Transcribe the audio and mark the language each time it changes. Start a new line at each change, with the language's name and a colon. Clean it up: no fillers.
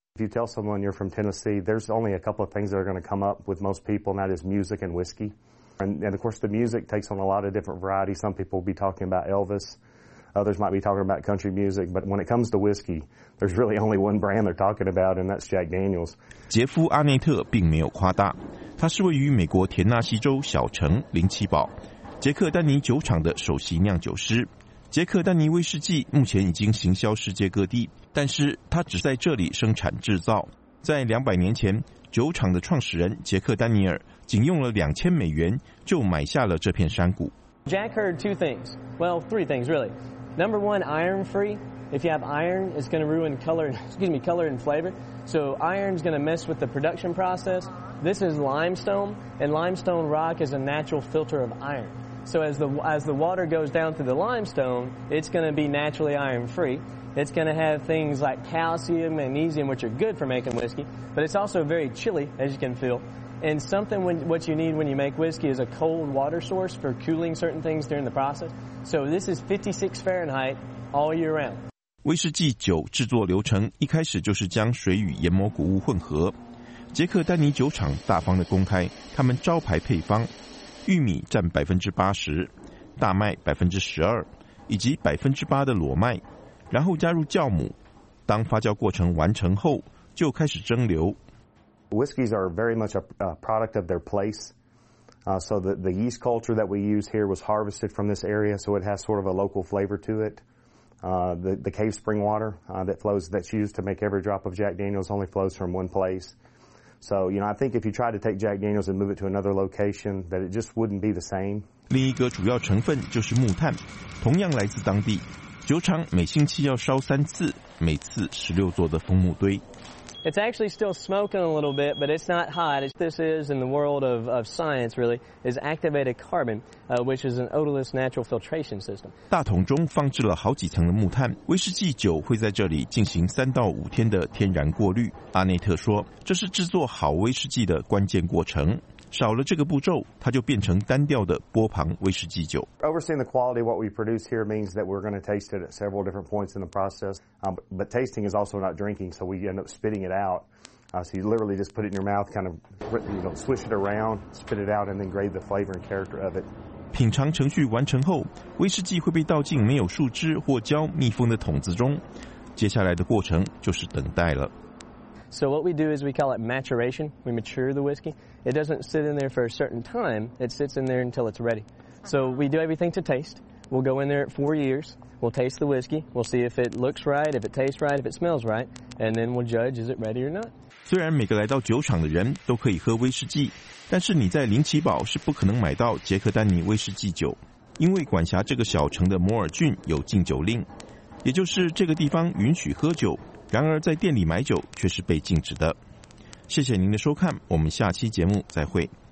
English: tell someone you're from Tennessee, there's only a couple of things that are going to come up with most people, and that is music and whiskey. And of course, the music takes on a lot of different varieties. Some people will be talking about Elvis. Others might be talking about country music. But when it comes to whiskey, there's really only one brand they're talking about, and that's Jack Daniels.
Chinese: 杰夫·阿内特并没有夸大，他是位于美国田纳西州小城林奇堡杰克丹尼酒厂的首席酿酒师。杰克丹尼威士忌目前已经行销世界各地，但是他只在这里生产制造。在200年前，酒厂的创始人杰克丹尼尔仅用了$2,000就买下了这片山谷。
English: Jack heard two things. Well, three things really. Number one, iron free. If you have iron, it's going to ruin color. Excuse me, color and flavor. So iron's going to mess with the production process. This is limestone, and limestone rock is a natural filter of iron. So as the water goes down through the limestone, it's going to be naturally iron free. It's going to have things like calcium, magnesium, which are good for making whiskey. But it's also very chilly, as you can feel. And something what you need when you make whiskey is a cold water source for cooling certain things during the process. So this is 56 Fahrenheit all year round.
Chinese: 威士忌酒制作流程一开始就是将水与研磨谷物混合。杰克丹尼酒厂大方地公开他们招牌配方。玉米占80%，大麦12%，以及8%的裸麦，然后加入酵母。当发酵过程完成后，就开始蒸馏。
English: Whiskies are very much a product of their place. So the yeast culture that we use here was harvested from this area, so it has sort of a local flavor to it. The cave spring water that flows that's used to make every drop of Jack Daniel's only flows from one place. So, you know, I think if you try to take Jack Daniels and move it to another location, that it just wouldn't be the same.
Chinese: 另一个主要成分就是木炭，同样来自当地。酒厂每星期要烧三次，每次16座的枫木堆。
English: It's actually still smoking a little bit, but it's not hot. This is, in the world of science, really, is activated carbon, which is an odorless natural filtration system.
Chinese: 大桶中放置了好几层的木炭，威士忌酒会在这里进行3到5天的天然过滤。阿内特说，这是制作好威士忌的关键过程。少了这个步骤，它就变成单调的波旁威士忌酒。
English: Overseeing the quality of what we produce here means that we're going to taste it at several different points in the process. But tasting is also not drinking, so we end up spitting it out. So you literally just put it in your mouth, kind of, you know, swish it around, spit it out, and then grade the flavor and character of it.
Chinese: 品尝程序完成后，威士忌会被倒进没有树枝或胶密封的桶子中。接下来的过程就是等待了。
English: So what we do is we call it maturation. We mature the whiskey. It doesn't sit in there for a certain time. It sits in there until it's ready. So we do everything to taste. We'll go in there at 4 years. We'll taste the whiskey. We'll see if it looks right, if it tastes right, if it smells right. And then we'll judge, is it ready or not?
Chinese: 虽然每个来到酒厂的人都可以喝威士忌，但是你在林奇堡是不可能买到杰克丹尼威士忌酒，因为管辖这个小城的摩尔郡有禁酒令，也就是这个地方允许喝酒。然而在店里买酒却是被禁止的。谢谢您的收看，我们下期节目再会。